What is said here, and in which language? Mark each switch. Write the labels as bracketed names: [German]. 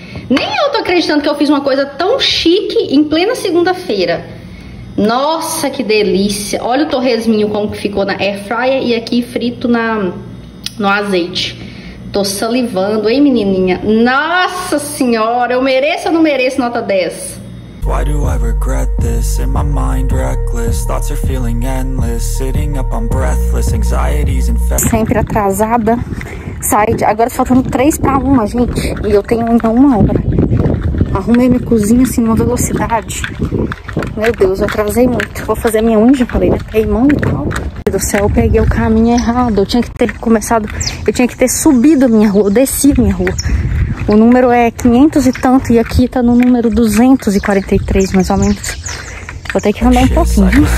[Portuguese] Nem eu tô acreditando que eu fiz uma coisa tão chique em plena segunda-feira. Nossa, que delícia. Olha o torresminho como que ficou na air fryer e aqui frito no azeite. Tô salivando, hein, menininha? Nossa senhora, eu mereço ou não mereço nota 10? [English] Why do I regret this? In my mind reckless, thoughts are feeling endless, sitting up, I'm breathless, anxiety's infected. [Portuguese] Sempre atrasada. Saí de... Agora faltando 3 pra 1, gente. E eu tenho ainda uma hora. Arrumei minha cozinha assim numa velocidade. Meu Deus, eu atrasei muito. Vou fazer minha unha, já falei, né? Queimando e tal. Meu Deus do céu, eu peguei o caminho errado. Eu tinha que ter começado. Eu tinha que ter subido a minha rua. Eu desci a minha rua. O número é 500 e tanto e aqui tá no número 243, mais ou menos. Vou ter que andar um pouquinho.